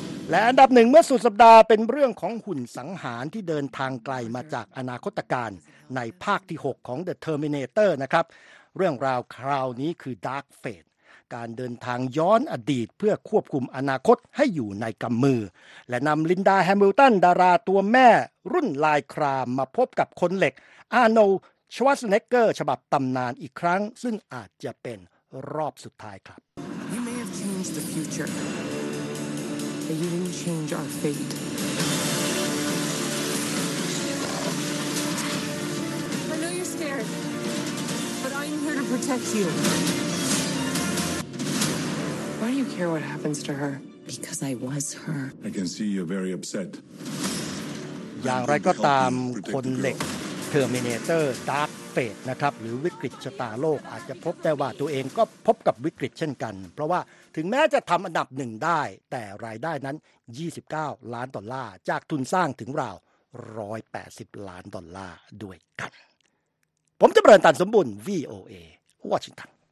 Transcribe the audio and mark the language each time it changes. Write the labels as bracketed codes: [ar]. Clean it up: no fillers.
[th] และอันดับหนึ่งเมื่อสุดสัปดาห์เป็นเรื่องของหุ่นสังหารที่เดินทางไกลมาจากอนาคตการในภาคที่6ของ The Terminator นะครับเรื่องราวคราวนี้คือ Dark Fate การเดินทางย้อนอดีตเพื่อควบคุมอนาคตให้อยู่ในกำมือและนำลินดาแฮมิลตันดาราตัวแม่รุ่นลายครามมาพบกับคนเหล็กอาร์โนลด์ชวาร์สเนเกอร์ฉบับตำนานอีกครั้งซึ่งอาจจะเป็นรอบสุดท้ายครับ [en] You may have changed the futureBut you didn't change our fate. I know you're scared, but I'm here to protect you. Why do you care what happens to her? Because I was her. I can see you're very upset. [th] อย่างไรก็ตามคนเหล็ก Terminator Darkนะครับหรือวิกฤตชะตาโลกอาจจะพบได้ว่าตัวเองก็พบกับวิกฤตเช่นกันเพราะว่าถึงแม้จะทำอันดับหนึ่งได้แต่รายได้นั้น29ล้านดอลลาร์จากทุนสร้างถึงราว180ล้านดอลลาร์ด้วยกันผมจะเปิดตันสมบูรณ์ VOA วอชิงตัน